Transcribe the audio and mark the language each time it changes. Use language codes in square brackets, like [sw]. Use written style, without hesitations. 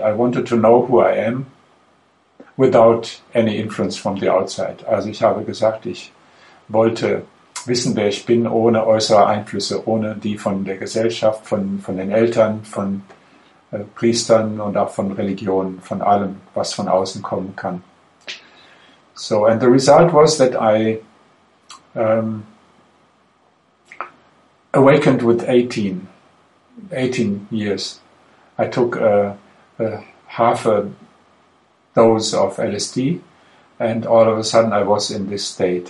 [en] I wanted to know who I am without any influence from the outside. [de] Also ich habe gesagt, ich wollte wissen, wer ich bin, ohne äußere Einflüsse, ohne die von der Gesellschaft, von den Eltern, von Priestern und auch von Religionen, von allem, was von außen kommen kann. [en] So, and the result was that I awakened with 18 years. I took a half a dose of LSD and all of a sudden I was in this state.